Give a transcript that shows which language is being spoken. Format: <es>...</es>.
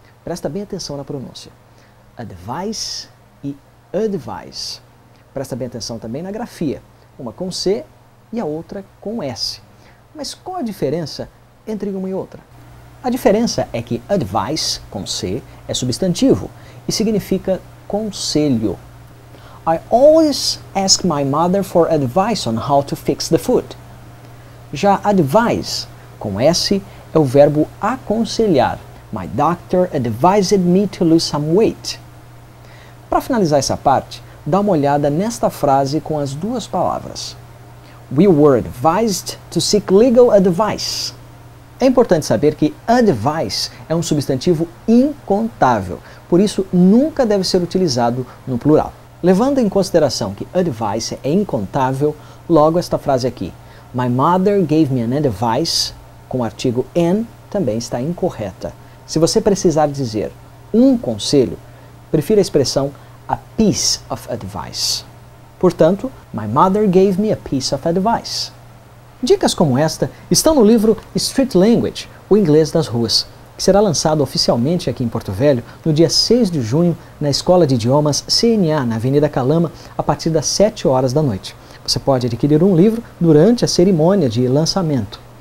<pt>Presta bem atenção na pronúncia. Advice e advise. Presta bem atenção também na grafia, uma com C e a outra com S. Mas qual a diferença entre uma e outra? A diferença é que advice, com C, é substantivo e significa conselho.</pt> <en>I always ask my mother for advice on how to fix the foot.</en> <pt>Já advise, com S, é o verbo aconselhar.</pt> <en>My doctor advised me to lose some weight.</en> <pt>Para finalizar essa parte, dá uma olhada nesta frase com as duas palavras.</pt> <en>We were advised to seek legal advice.</en> <pt>É importante saber que advice é um substantivo incontável, por isso nunca deve ser utilizado no plural. Levando em consideração que advice é incontável, logo esta frase aqui.</pt> <en>My mother gave me an advice,</en> <pt>com o artigo an, também está incorreta. Se você precisar dizer um conselho, prefira a expressão</pt> <en>a piece of advice.</en> <pt>Portanto,</pt> <en>my mother gave me a piece of advice.</en> <pt>Dicas como esta estão no livro Street Language, o inglês das ruas, que será lançado oficialmente aqui em Porto Velho no dia 6 de junho na Escola de Idiomas CNA, na Avenida Calama, a partir das 7 horas da noite. Você pode adquirir um livro durante a cerimônia de lançamento.</pt>